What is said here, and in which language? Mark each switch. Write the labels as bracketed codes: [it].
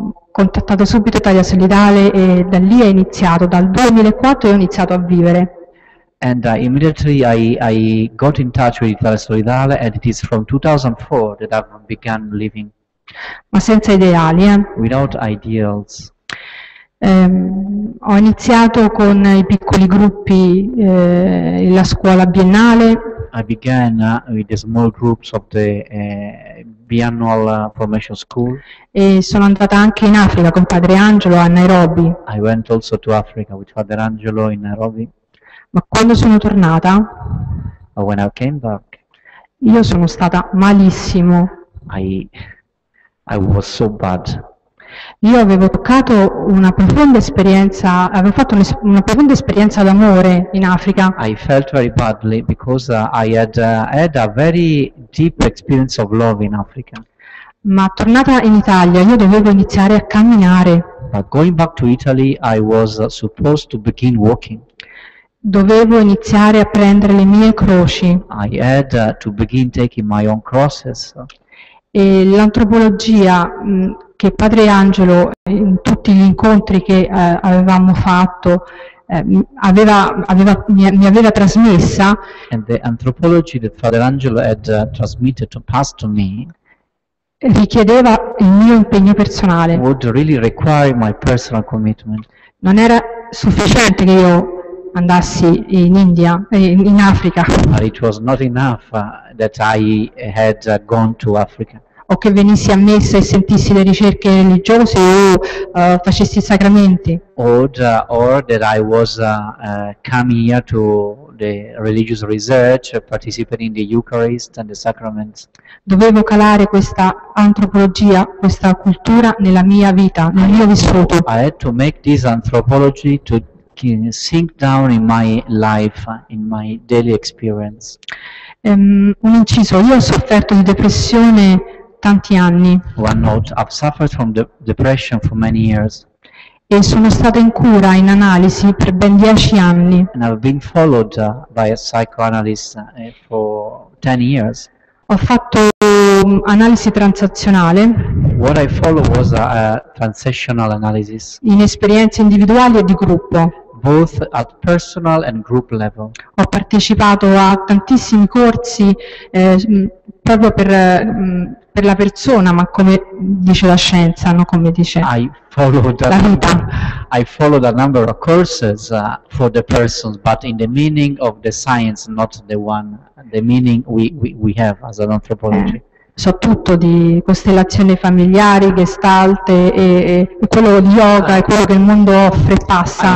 [it] Contattato subito Italia Solidale e da lì è iniziato, dal 2004 ho iniziato a vivere. [en] And immediately I got in touch with Italia Solidale, and it is from 2004 that I began living. [it] Ma senza ideali, [en] Without ideals. [it] Ho iniziato con i piccoli gruppi la scuola biennale. [en] I began with the small groups of the biannual formation school. [it] E sono andata anche in Africa con Padre Angelo a Nairobi. [en] I went also to Africa with Father Angelo in Nairobi. [it] Ma quando sono tornata, [en] but when I came back, [it] io sono stata malissimo. [en] I was so bad. [it] Io avevo toccato una profonda esperienza, avevo fatto una profonda esperienza d'amore in Africa. [en] I felt very badly because I had had a very deep experience of love in Africa. [it] Ma tornata in Italia, io dovevo iniziare a camminare. [en] But going back to Italy, I was supposed to begin walking. [it] Dovevo iniziare a prendere le mie croci. [en] I had to begin taking my own crosses. [it] E l'antropologia che Padre Angelo, in tutti gli incontri che avevamo fatto, mi aveva trasmessa. [en] And the anthropology that Father Angelo had transmitted to pass to me [it] richiedeva il mio impegno personale. [en] Would really require my personal commitment. [it] Non era sufficiente che io andassi in India, in Africa. [en] But it was not enough that I had gone to Africa. [it] O che venissi a messa e sentissi le ricerche religiose o facessi i sacramenti. [en] Or that I was coming here to the religious research, participating in the Eucharist and the sacraments. [it] Dovevo calare questa antropologia, questa cultura nella mia vita, nel mio vissuto. [en] I had to make this anthropology to sink down in my life, in my daily experience. [it] Un inciso, io ho sofferto di depressione tanti anni. [en] One note, I've suffered from depression for many years. [it] e sono stata in cura in analisi per ben 10 anni. [en] And I've been followed by a psychoanalyst for 10 years. [it] Ho fatto analisi transazionale. [en] What I follow was a transactional analysis. [it] In esperienze individuali e di gruppo. [en] Both at personal and group level. [it] Ho partecipato a tantissimi corsi proprio per la persona, ma come dice la scienza, non come dice la vita. [en] I followed a number of courses for the persons, but in the meaning of the science, not the one, the meaning we have as an anthropology. [it] So tutto di costellazioni familiari, gestalt e quello di yoga e quello che il mondo offre passa.